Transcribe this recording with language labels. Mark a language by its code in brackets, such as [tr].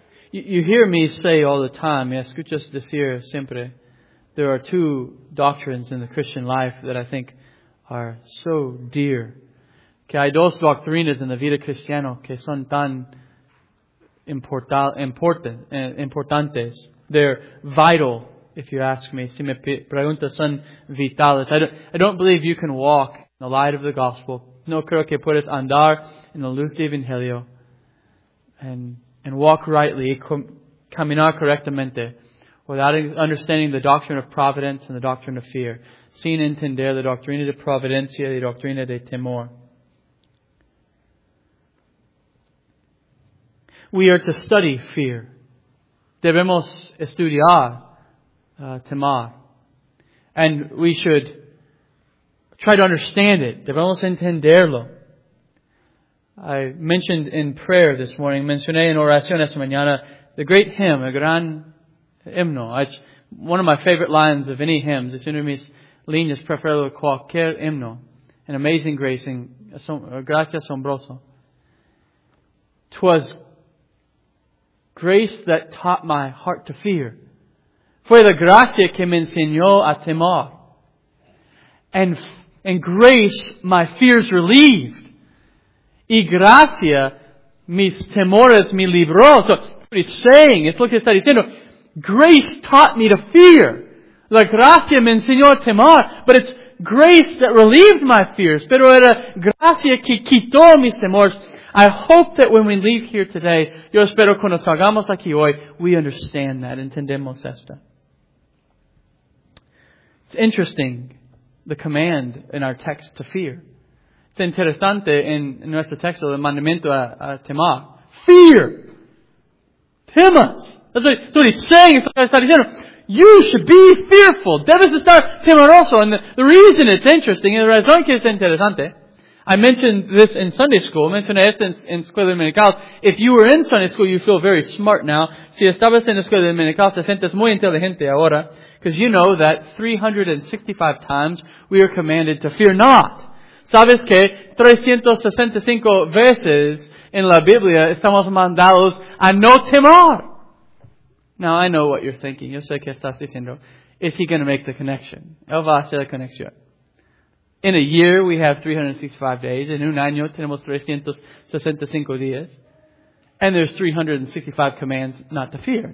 [en] You hear me say all the time, [es] me escuchas decir siempre, [en] there are two doctrines in the Christian life that I think are so dear. [es] Que hay dos doctrinas en la vida cristiana que son tan importantes. [en] They're vital, if you ask me. [es] Si me preguntas, son vitales. [en] I don't believe you can walk in the light of the gospel [es] No creo que puedes andar en la luz del Evangelio [en] and walk rightly, [es] caminar correctamente, [en] without understanding the doctrine of providence and the doctrine of fear, [es] sin entender la doctrina de providencia y la doctrina de temor. [en] We are to study fear. [es] Debemos estudiar temor. [en] And we should try to understand it. [es] Debemos entenderlo. [en] I mentioned in prayer this morning, [es] mencioné en oración esta mañana, [en] the great hymn, [es] a gran himno. [en] It's one of my favorite lines of any hymns. [es] Es una de mis líneas preferidas de cualquier himno. [en] An amazing grace and [es] gracia asombroso. [en] 'Twas grace that taught my heart to fear. [es] Fue la gracia que me enseñó a temor. [en] And grace, my fears relieved. [es] Y gracia, mis temores me libró. [en] So, what he's saying, it's what he's saying. Grace taught me to fear. [es] La gracia me enseñó a temor. [en] But it's grace that relieved my fears. [es] Pero era gracia que quitó mis temores. [en] I hope that when we leave here today, [es] yo espero cuando salgamos aquí hoy, [en] we understand that, [es] entendemos esto. [en] It's interesting, the command in our text to fear. [es] Es interesante en nuestro texto el mandamiento a temor. [en] Fear! [es] Temas! [en] That's what he's saying, it's what he's saying. You should be fearful! [es] Debes estar temeroso! [en] And the reason it's interesting, and the [es] razón que es interesante, [en] I mentioned this in Sunday school. [es] Mencioné esto en Escuela Dominical. [en] If you were in Sunday school, you feel very smart now. [es] Si estabas en Escuela Dominical, te sientes muy inteligente ahora. [en] Because you know that 365 times we are commanded to fear not. [es] Sabes que 365 veces en la Biblia estamos mandados a no temor. [en] Now I know what you're thinking. [es] Yo sé que estás diciendo, [en] is he going to make the connection? [es] Él va a hacer la conexión. [en] In a year, we have 365 days. [es] En un año, tenemos 365 días. [en] And there's 365 commands not to fear.